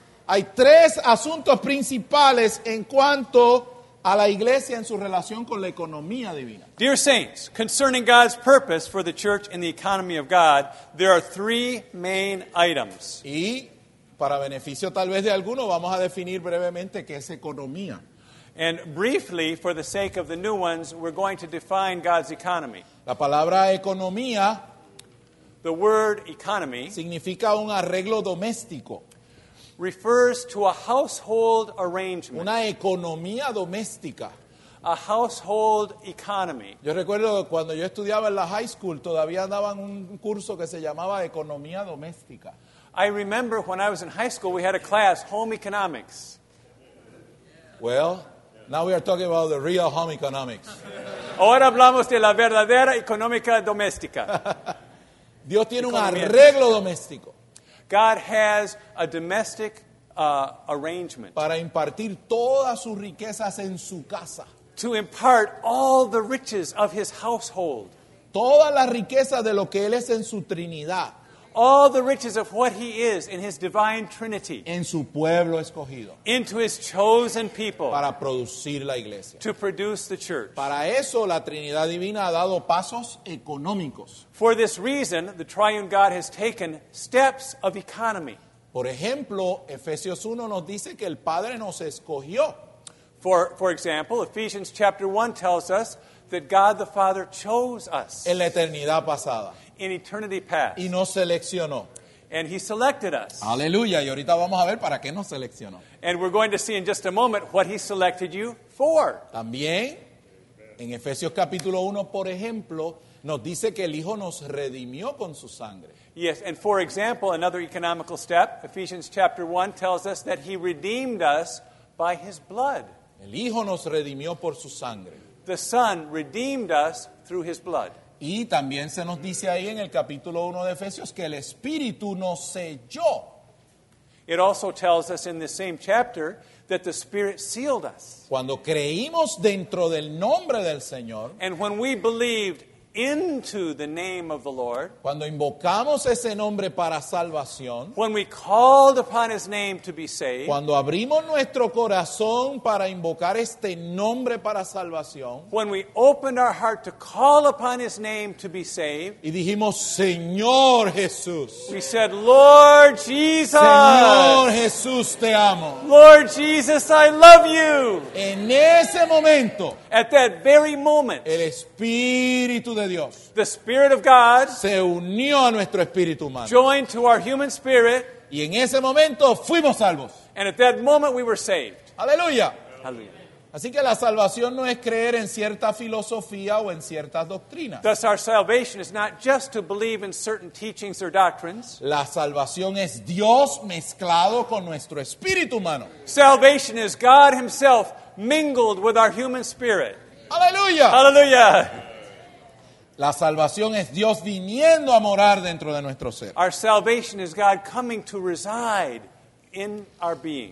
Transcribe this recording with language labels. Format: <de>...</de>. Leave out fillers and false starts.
<es>Hay tres asuntos principales en cuanto a la iglesia en su relación con la economía divina.</es> <en>Dear saints, concerning God's purpose for the church and the economy of God, there are three main items.</en> <es>Y para beneficio tal vez de alguno, vamos a definir brevemente qué es economía.</es> <en>And briefly, for the sake of the new ones, we're going to define God's economy.</en> <es>La palabra economía,</es> <en>the word economy,</en> <es>significa un arreglo doméstico.</es> <en>Refers to a household arrangement.</en> <es>Una economía doméstica.</es> <en>A household economy.</en> <es>Yo recuerdo cuando yo estudiaba en la</es> <en>high school,</en> <es>todavía daban un curso que se llamaba economía doméstica.</es> <en>I remember when I was in high school, we had a class, home economics. Well, now we are talking about the real home economics.</en> <es>Ahora hablamos de la verdadera económica doméstica. Dios tiene economía un arreglo doméstico.</es> <en>God has a domestic arrangement.</en> <es>Para impartir todas sus riquezas en su casa.</es> <en>To impart all the riches of his household.</en> <es>Toda la riqueza de lo que él es en su Trinidad.</es> <en>All the riches of what he is in his divine Trinity.</en> <es>En su pueblo escogido.</es> <en>Into his chosen people.</en> <es>Para producir la iglesia.</es> <en>To produce the church.</en> <es>Para eso la Trinidad divina ha dado pasos económicos.</es> <en>For this reason, the triune God has taken steps of economy.</en> <es>Por ejemplo, Efesios 1 nos dice que el Padre nos escogió.</es> <en>For example, Ephesians chapter 1 tells us that God the Father chose us.</en> <es>En la eternidad pasada.</es> <en>In eternity past.</en> <es>Y nos seleccionó.</es> <en>And he selected us.</en> <es>Aleluya. Y ahorita vamos a ver para qué nos seleccionó.</es> <en>And we're going to see in just a moment what he selected you for.</en> <es>También, en Efesios capítulo 1, por ejemplo, nos dice que el Hijo nos redimió con su sangre.</es> <en>Yes, and for example, another economical step, Ephesians chapter 1 tells us that he redeemed us by his blood.</en> <es>El Hijo nos redimió por su sangre.</es> <en>The Son redeemed us through his blood.</en> <es>Y también se nos dice ahí en el capítulo 1 de Efesios que el Espíritu nos selló.</es> <en>It also tells us in the same chapter that the Spirit sealed us.</en> <es>Cuando creímos dentro del nombre del Señor.</es> <en>And when we believed into the name of the Lord.</en> <es>Cuando invocamos ese nombre para salvación.</es> <en>When we called upon his name to be saved.</en> <es>Cuando abrimos nuestro corazón para invocar este nombre para salvación.</es> <en>When we opened our heart to call upon his name to be saved.</en> <es>Y dijimos, Señor Jesús.</es> <en>We said, Lord Jesus.</en> <es>Señor Jesús, te amo.</es> <en>Lord Jesus, I love you.</en> <es>En ese momento.</es> <en>At that very moment.</en> <es>El Espíritu de Dios.</es> <en>The Spirit of God</en> <es>se unió a nuestro espíritu humano.</es> <en>Joined to our human spirit.</en> <es>Y en ese momento fuimos salvos.</es> <en>And at that moment we were saved.</en> <es>Aleluya. Aleluya. Así que la salvación no es creer en cierta filosofía o en ciertas doctrinas.</es> <en>Thus our salvation is not just to believe in certain teachings or doctrines.</en> <es>La salvación es Dios mezclado con nuestro espíritu humano.</es> <en>Salvation is God himself mingled with our human spirit.</en> <es>Aleluya. Aleluya. La salvación es Dios viniendo a morar dentro de nuestro ser.</es> <en>Our salvation is God coming to reside in our being.</en>